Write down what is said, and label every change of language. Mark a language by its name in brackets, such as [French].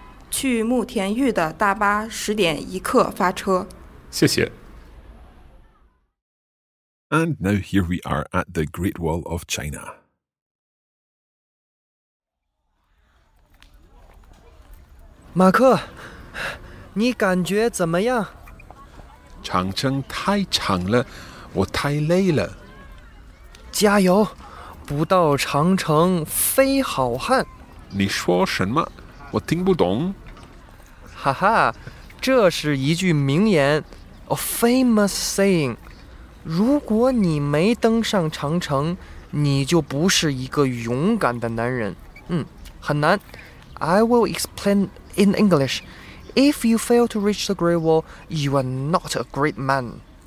[Chinese] 去慕田峪的大巴10点1刻发车。谢谢。 [English] And now here we are at the Great Wall of China. [Chinese] Marco, 你感觉怎么样? 长城太长了,我太累了。加油,不到长城非好汉。你说什么?我听不懂。哈哈,这是一句名言, [English] a famous saying. [Chinese] 如果你没登上长城,你就不是一个勇敢的男人。很难。 [English] I will explain in English. If you fail to reach the Great Wall, you are not a great man.